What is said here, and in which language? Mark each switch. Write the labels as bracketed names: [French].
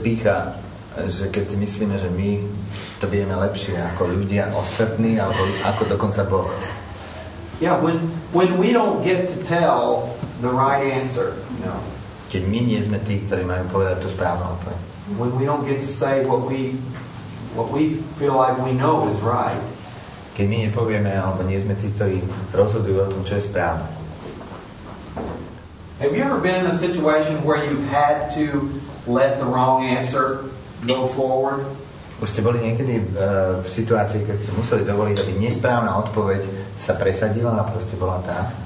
[Slovak] pícha, že keď si myslíme, že my to vieme lepšie ako ľudia ostatní, alebo ako dokonca Boh. [English] Yeah, when we don't get to tell the right answer, no. [Slovak] Keď my nie sme tí, ktorí majú povedať tú správnu odpoveď. [English] When we don't get to say what we feel like we know is right. [Slovak] Keď my nepovieme, alebo nie sme tí, ktorí rozhodujú o tom, čo je správne. [English] Have you ever been in a situation where you had to let the wrong answer go forward? [Slovak] Už ste boli niekedy v situácii, keď ste museli dovoliť, aby nesprávna odpoveď sa presadila a proste bola tá?